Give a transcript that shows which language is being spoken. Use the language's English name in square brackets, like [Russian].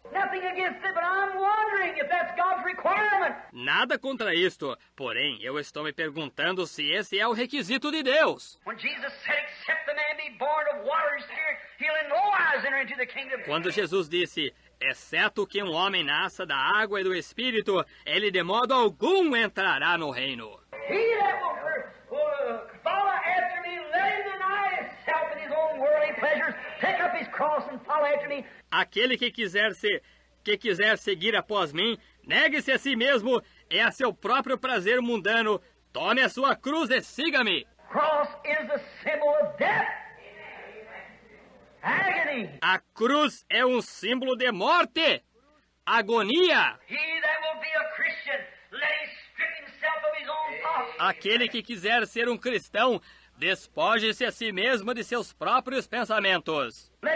[English] Nothing against it, but I'm wondering if that's God's requirement. [Portuguese] Nada contra isto, porém eu estou me perguntando se esse é o requisito de Deus. [English] When Jesus said, "Except the man be born of water and spirit, he'll in no wise enter into the kingdom." [Portuguese] Quando Jesus disse, exceto que um homem nasça da água e do espírito, ele de modo algum entrará no reino. [English] He that will follow after me, let him deny himself and his own worldly pleasures, pick up his cross and follow after me. [Portuguese] Aquele que quiser seguir após mim, negue-se a si mesmo e a seu próprio prazer mundano. Tome a sua cruz e siga-me. [English] Cross is a symbol of death. Agony. [Portuguese] A cruz é um símbolo de morte. Agonia. [English] He that will be a Christian, let him strip himself of his own thoughts. [Portuguese] Aquele que quiser ser um cristão, despoje-se a si mesmo de seus próprios pensamentos.